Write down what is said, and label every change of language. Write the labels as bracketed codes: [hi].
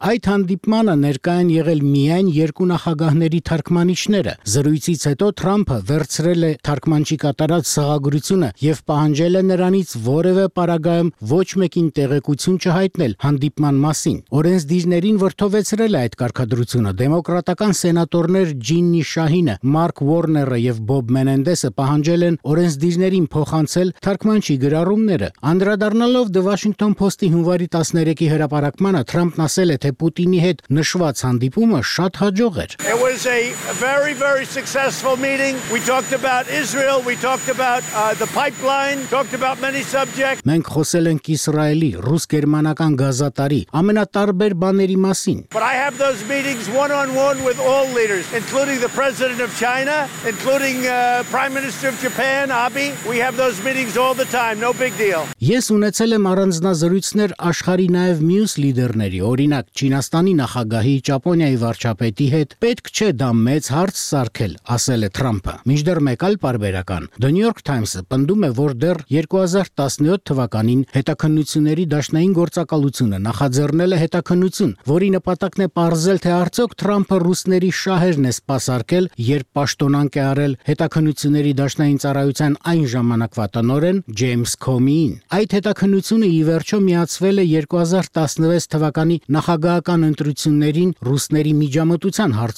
[hy] Այդ հանդիպմանը ներկա են եղել միայն երկու նախագահների թարգմանիչները։ Զրույցից հետո Թրամփը վերցրել է թարգմանչի կատարած սղագրությունը և պահանջել է նրանից որևէ պարագայում ոչ մեկին տեղեկություն չհայտնել հանդիպման մասին։ Օրենսդիրներին վրդովեցրել է այդ կարգադրությունը դեմոկրատական սենատորներ Ջիննի Շահինը, Մարկ Վորները և Բոբ Մենենդեսը պահանջել են օրենսդիրներին փոխանցել թարգմանչի գրառումները։ Անդրադառնալով The Washington Post-ի հունվարի 13-ի հրապարակմանը, Թրամփն ասել է, թե Պուտինի հետ նշված հանդիպումը շատ հաջող [en] It was a very, very successful meeting. We talked about Israel, we talked about the pipeline, talked about many subjects. [hy] Մենք խոսել ենք Իսրայելի, ռուս-գերմանական գազատարի, ամենատարբեր բաների մասին. [en] But I have those meetings one-on-one with all leaders, including the president of China, including prime minister of Japan, Abe. We have those meetings all the time, no big deal. [hy] Ես ունեցել եմ առանձնազրույցներ աշխարի նաև մյուս լիդերների, օրինակ Չինաստանի նախագահի, Ճապոնիայի վարչապետի հետ։ Պետք չէ դա մեծ հարց սարքել, ասել է Թրամփը։ Մինչդեռ մեկ այլ պարբերական, The New York Times-ը պնդում է, որ դեռ 2017 թվականին հետաքննությունների դաշնային գործակալությունը նախաձեռնել է հետաքննություն, որի նպատակն է պարզել, թե արդյոք Թրամփը ռուսների շահերն է սպասարկել, երբ պաշտոնանք է արել հետաքննությունների դաշնային ծառայության այն ժամանակվա տնօրեն Ջեյմս Քոմիին։ Այդ հետաքննությունը ի վերջո միացվել է 2016 թվականի նախագահական ընտրություններին ռուսների միջամտության հարցում,